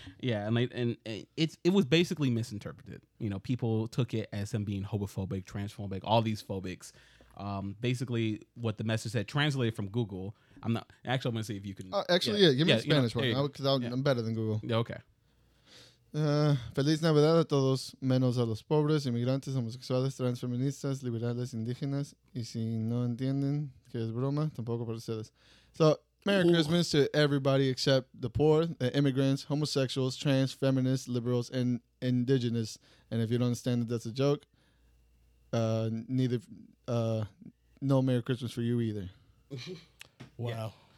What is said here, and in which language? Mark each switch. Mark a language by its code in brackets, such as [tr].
[en] Yeah, and it was basically misinterpreted. You know, people took it as him being homophobic, transphobic, all these phobics. Basically, what the message said translated from Google. I'm going to see if you can. Give me Spanish, because I'm better than Google. Yeah, okay. [es] Feliz Navidad a todos, menos a los pobres, inmigrantes, homosexuales, transfeministas, liberales, indígenas, y si no entienden que es broma, tampoco para ustedes. [en] So, Merry Christmas to everybody except the poor, the immigrants, homosexuals, trans, feminists, liberals, and indigenous. And if you don't understand that that's a joke, no Merry Christmas for you either. Wow.